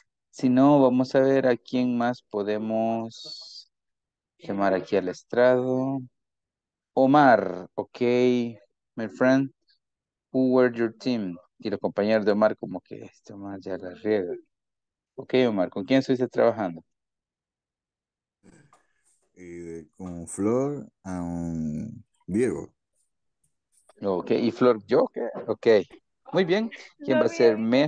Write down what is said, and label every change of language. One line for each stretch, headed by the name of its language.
Spanish: Si no, vamos a ver a quién más podemos llamar aquí al estrado.
English: Omar, okay, my friend, who were your team?
Spanish: Y los compañeros de Omar, como que este Omar ya la riega. Okay, Omar, ¿con quién estuviste trabajando? Con Flor y Diego. Okay, y Flor, yo, okay. Muy bien, ¿quién no va a ser Mary?